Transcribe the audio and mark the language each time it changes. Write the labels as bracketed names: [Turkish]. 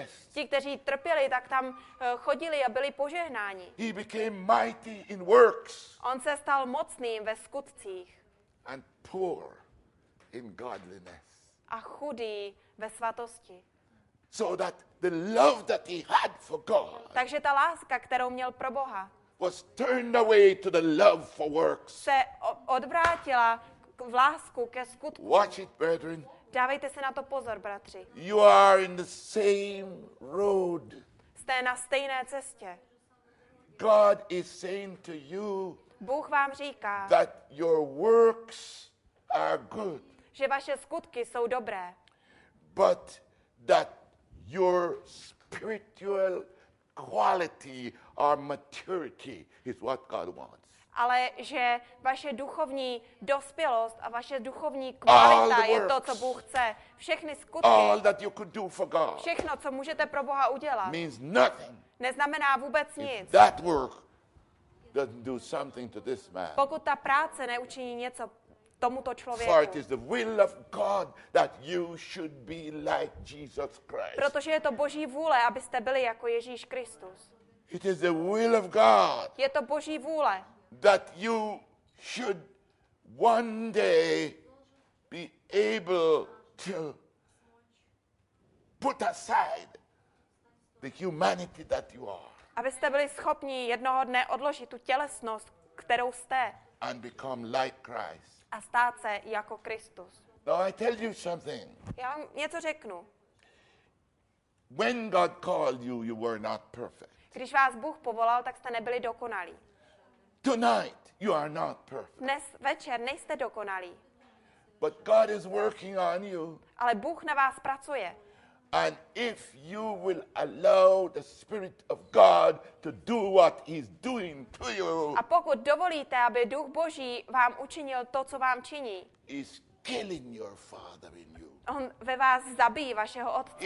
[Czech] Ti, kteří trpěli, tak tam chodili a byli požehnáni. [English] He became mighty in works. [Czech] On se stal mocným ve skutcích. [English] And poor in godliness. [Czech] A chudý ve svatosti. [English] So that the love that he had for God. [Czech] Takže ta láska, kterou měl pro Boha, [English] was turned away to the love for works. [Czech] Se odvrátila v lásku ke skutku. [English] Watch it, brethren. [Czech] Dávejte se na to pozor, bratři. [English] You are in the same road. [Czech] Jste na stejné cestě. [English] God is saying to you. [Czech] Bůh vám říká. [English] That your works are good. [Czech] Že vaše skutky jsou dobré. [English] But that your spiritual quality or maturity is what God wants. [Czech] Ale že vaše duchovní dospělost a vaše duchovní kvalita je to, co Bůh chce. Všechny skutky. [English] All that you could do for God. [Czech] Všechno, co můžete pro Boha udělat. [English] Means nothing. [Czech] Neznamená vůbec nic. [English] That work doesn't do something to this man. [Czech] Pokud ta práce neučiní něco tomuto člověku. [English] For it is the will of God that you should be like Jesus Christ. [Czech] Protože je to Boží vůle, abyste byli jako Ježíš Kristus. [English] It is the will of God. [Czech] Je to Boží vůle. [English] That you should one day be able to put aside the humanity that you are. [Czech] Abyste byli schopni jednoho dne odložit tu tělesnost, kterou jste. [English] And become like Christ. [Czech] A stát se jako Kristus. [English] Now I tell you something. [Czech] Já vám něco řeknu. [English] When God called you, you were not perfect. [Czech] Když vás Bůh povolal, tak jste nebyli dokonalí. [English] Tonight you are not perfect. [Czech] Dnes večer nejste dokonalí. [English] But God is working on you. [Czech] Ale Bůh na vás pracuje. [English] And if you will allow the Spirit of God to do what He's doing to you. [Czech] A pokud dovolíte, aby Duch Boží vám učinil to, co vám činí. [English] He's killing your father in you. [Czech] On ve vás zabíjí vašeho otce.